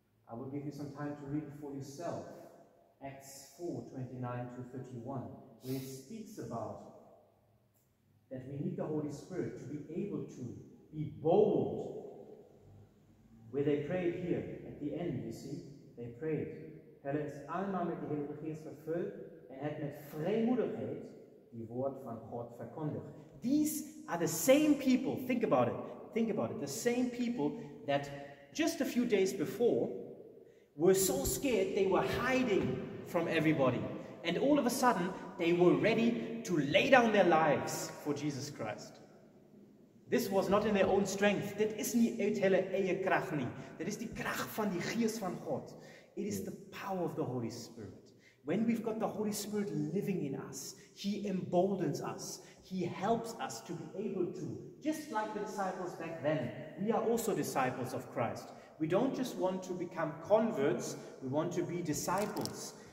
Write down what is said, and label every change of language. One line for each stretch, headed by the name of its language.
English: I will give you some time to read for yourself. Acts 4:29-31, where it speaks about that we need the Holy Spirit to be able to be bold. Where they prayed here, at the end, you see, they prayed.
Afrikaans: Hulle is allemaal met die Heilige Geest vervuld en het met vrijmoedigheid die woord van God verkondigd.
English: These are the same people, think about it, the same people that just a few days before were so scared they were hiding from everybody. And all of a sudden, they were ready to lay down their lives for Jesus Christ. This was not in their own strength.
Afrikaans: Dit is nie uit hulle eie krag nie. Dit is die krag van die Gees van God.
English: It is the power of the Holy Spirit. When we've got the Holy Spirit living in us, He emboldens us. He helps us to be able to, just like the disciples back then, we are also disciples of Christ. We don't just want to become converts, we want to be disciples.